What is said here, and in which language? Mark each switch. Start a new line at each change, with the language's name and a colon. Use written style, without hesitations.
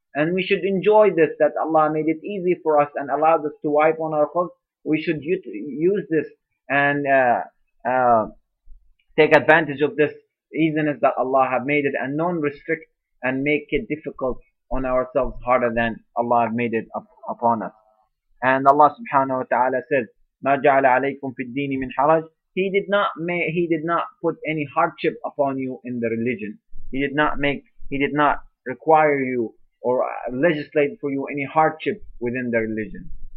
English: And we should enjoy this, that Allah made it easy for us and allowed us to wipe on our khufs. We should use this and take advantage of this easiness that Allah have made it, and non-restrict and make it difficult on ourselves harder than Allah have made it upon us. And Allah subhanahu wa ta'ala says,
Arabic: مَا جَعَلَ عَلَيْكُمْ فِي الدِّينِ مِنْ حَرَجٍ.
English: He did not put any hardship upon you in the religion. He did not require you or legislate for you any hardship within the religion.